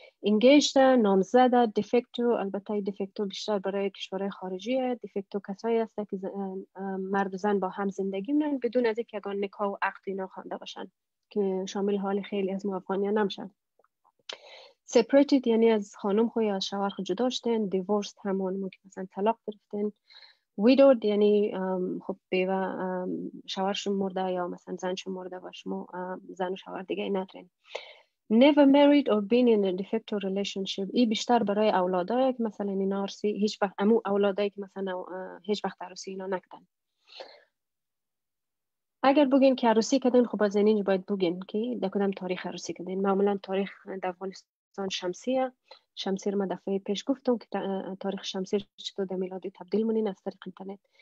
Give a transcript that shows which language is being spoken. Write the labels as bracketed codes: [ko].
[fa] engaged نامزده، defecto البته defecto بیشتر برای کشورهای خارجیه، defecto کسایی هست که مرد و زن با هم زندگی می‌کنن بدون از اینکه اگر نکاح و عقد اینا خوانده باشن که شامل حال خیلی از افغانی‌ها نمیشن. separated یعنی از خانم خو یا از شوهر خو جدا شدن، divorced همون ممکن مثلا طلاق گرفتن، widowed یعنی خب بیوه شوهرش مرده یا مثلا زنش مرده و شما زن و شوهر دیگه ندارین. [en] Never married or been in a de facto relationship. [fa] ای بیشتر برای اولادایی که مثلا اینا عروسی هیچ وقت امو اولادایی که مثلا هیچ وقت عروسی اینا نکدن. اگر بگین که عروسی کردن خب از اینج باید بگین که در کدام تاریخ عروسی کردن. معمولا تاریخ در افغانستان شمسیه. شمسی رو ما دفعه پیش گفتم که تاریخ شمسی چطور در میلادی تبدیل مونین از طریق انترنت.